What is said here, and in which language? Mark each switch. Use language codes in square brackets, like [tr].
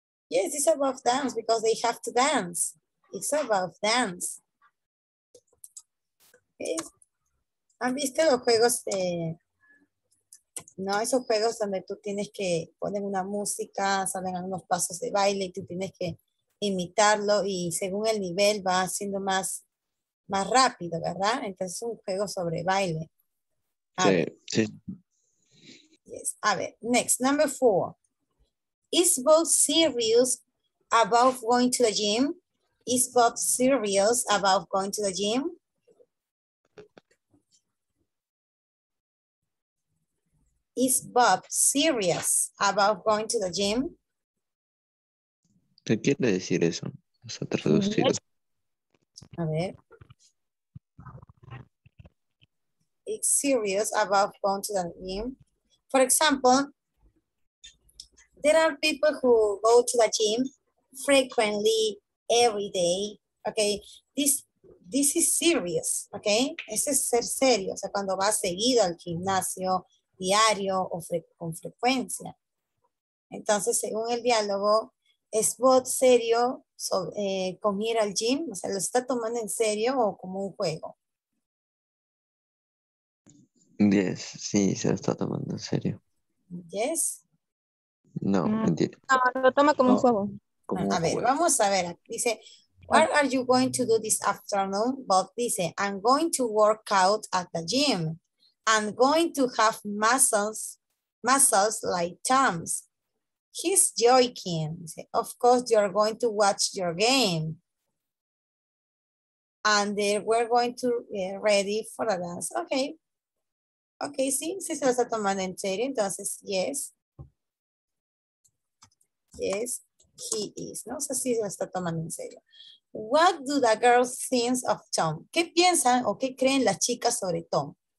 [en] Yes, it's about dance because they have to dance. It's about dance. Yes. [es] ¿Han visto los juegos de, no, esos juegos donde tú tienes que poner una música, salen algunos pasos de baile y tú tienes que imitarlo y según el nivel va siendo más rápido, ¿verdad? Entonces es un juego sobre baile. Sí. A ver, [en] next, number four. Is Bob serious about going to the gym? Is Bob serious about going to the gym? Is Bob serious about going to the gym? [es] ¿Qué quiere decir eso? O sea, traducir. A ver. [en] Is serious about going to the gym? For example, there are people who go to the gym frequently every day. Okay, this is serious. [es] Okay, ese es ser serio. O sea, cuando vas seguido al gimnasio diario o con frecuencia. Entonces, según el diálogo, ¿es Bob serio con ir al gym? O sea, ¿lo está tomando en serio o como un juego? Yes, sí, se lo está tomando en serio. [en] Yes. [es] No, mentira. No, lo toma como un juego. A ver, vamos a ver. [en] Dice, what are you going to do this afternoon? Bob dice, I'm going to work out at the gym. I'm going to have muscles like Tom's. He's joking. Of course, you're going to watch your game. And we're going to get ready for the dance. Okay. [es] Okay, sí, se lo está tomando en serio. Entonces, yes. [en] Yes, he is. [es] No sé si se lo está tomando en serio. [en] What do the girls think of Tom? [es] ¿Qué piensan o qué creen las chicas sobre Tom?